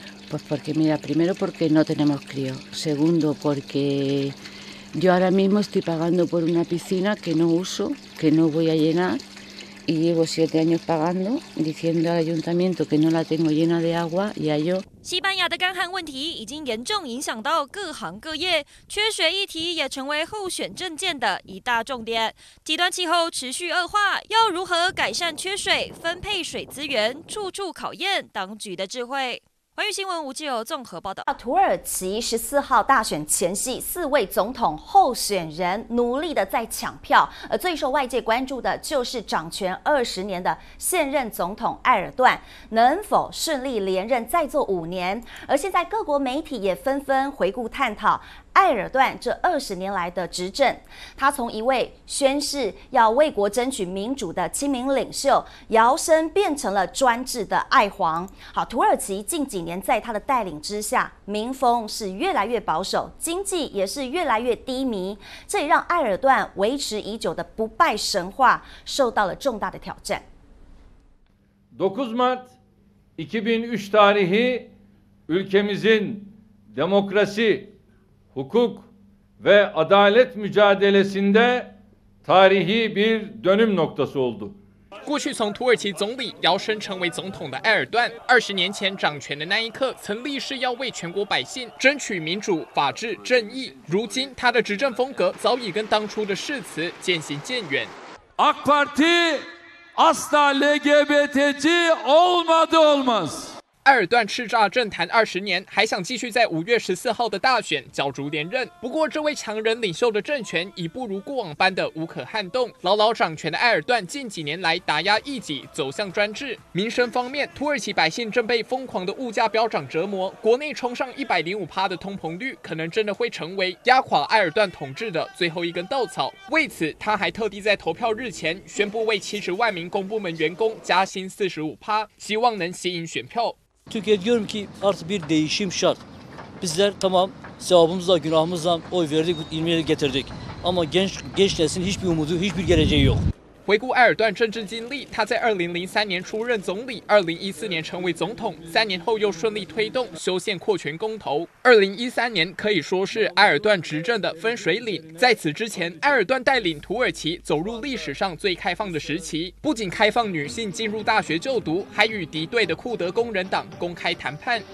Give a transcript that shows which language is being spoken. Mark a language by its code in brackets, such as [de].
[es] Pues porque mira, primero porque no tenemos crío. Segundo, porque yo ahora mismo estoy pagando por una piscina que no uso, que no voy a llenar. Y llevo 7 años pagando, diciendo al ayuntamiento que no la tengo llena de agua y a yo... [zh] 西班牙的干旱问题已经严重影响到各行各业，缺水议题也成为候选政见的一大重点。极端气候持续恶化，要如何改善缺水、分配水资源，处处考验当局的智慧。环宇新闻吴继友综合报道。土耳其14号大选前夕，四位总统候选人努力的在抢票，而最受外界关注的就是掌权20年的现任总统埃尔段能否顺利连任再做5年。而现在各国媒体也纷纷回顾探讨埃尔段这20年来的执政，他从一位宣誓要为国争取民主的亲民领袖，摇身变成了专制的爱皇。好，土耳其近几年在他的带领之下，民风是越来越保守，经济也是越来越低迷，这也让埃尔段维持已久的不败神话受到了重大的挑战。 [tr] 9 Mart 2003 tarihi ülkemizin demokrasi hukuk ve adalet mücadelesinde tarihi bir dönüm noktası oldu. [zh] 过去从土耳其总理摇身成为总统的埃尔段，20年前掌权的那一刻，曾立誓要为全国百姓争取民主、法治、正义。如今，他的执政风格早已跟当初的誓词渐行渐远。 [tr] AK Parti asla LGBTci olmadı olmaz。 [zh] 埃尔段叱咤政坛20年，还想继续在5月14号的大选角逐连任。不过，这位强人领袖的政权已不如过往般的无可撼动。牢牢掌权的埃尔段近几年来打压异己，走向专制。民生方面，土耳其百姓正被疯狂的物价飙涨折磨，国内冲上105%的通膨率，可能真的会成为压垮埃尔段统治的最后一根稻草。为此，他还特地在投票日前宣布为70万名公部门员工加薪45%，希望能吸引选票。 [tr] Türkiye diyorum ki artık bir değişim şart. Bizler tamam sevabımızla günahımızla oy verdik, ilmeği getirdik. Ama genç nesilin hiçbir umudu, hiçbir geleceği yok. [zh] 回顾埃尔段政治经历，他在2003年出任总理，2014年成为总统，3年后又顺利推动修宪扩权公投。 2013年可以说是埃尔段执政的分水岭。在此之前，埃尔段带领土耳其走入历史上最开放的时期，不仅开放女性进入大学就读，还与敌对的库德工人党公开谈判。